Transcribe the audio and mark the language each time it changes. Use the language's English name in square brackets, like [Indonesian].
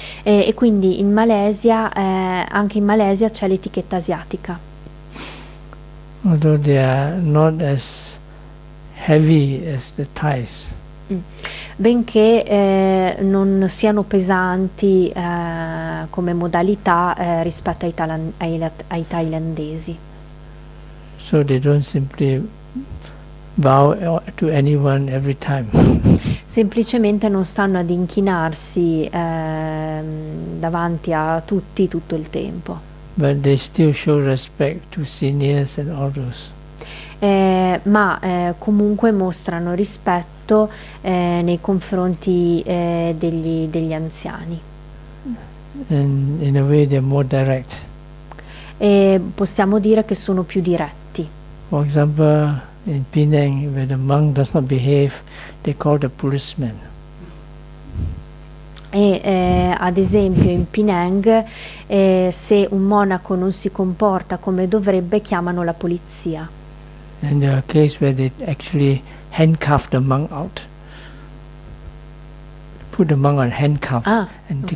[Italian] E quindi in Malesia, anche in Malesia c'è l'etichetta asiatica. [English] although they are not as heavy as the ties. [Italian] Benché non siano pesanti come modalità rispetto ai, ai thailandesi. [English] So they don't simply bow to anyone every time. [Italian] Semplicemente non stanno ad inchinarsi davanti a tutti tutto il tempo. [English] But they still show respect to seniors and others. [Italian] Ma comunque mostrano rispetto nei confronti degli anziani. [English] And in a way they're more direct. [Italian] E possiamo dire che sono più diretti. [English] For example, in Penang, when a monk does not behave, they call the policeman. [Italian] E ad esempio in Penang, se un monaco non si comporta come dovrebbe, chiamano la polizia. [English] And there are cases where they actually handcuff the monk out. Put the monk on handcuffs and okay.